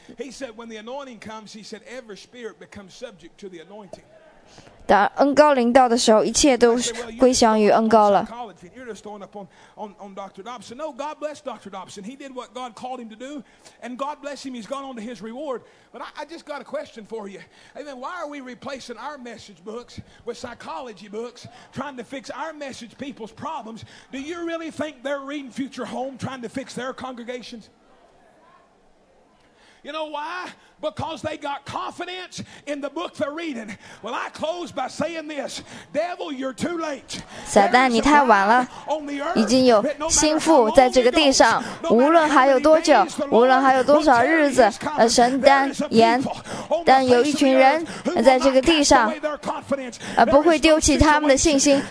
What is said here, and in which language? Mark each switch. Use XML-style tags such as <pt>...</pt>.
<en>He said, "When the anointing comes, he said, every spirit becomes subject to the anointing."</en> <zh>当恩膏临到的时候，一切都归降于恩膏了。</zh> <en>You're just throwing up on Dr. Dobson. No, God bless Dr. Dobson. He did what God called him to do, and God bless him. He's gone on to his reward. But I just got a question for you. Amen. Why are we replacing our message books with psychology books, trying to fix our message people's problems? Do you really think they're reading Future Home, trying to fix their congregations? You know why? Because they got confidence in the book they're reading. Well, I close by saying this. Devil, you're too late.</en> <zh>撒旦，你太晚了。已经有心腹在这个地上，无论还有多久，无论还有多少日子，神单言，但有一群人在这个地上，不会丢弃他们的信心。</zh>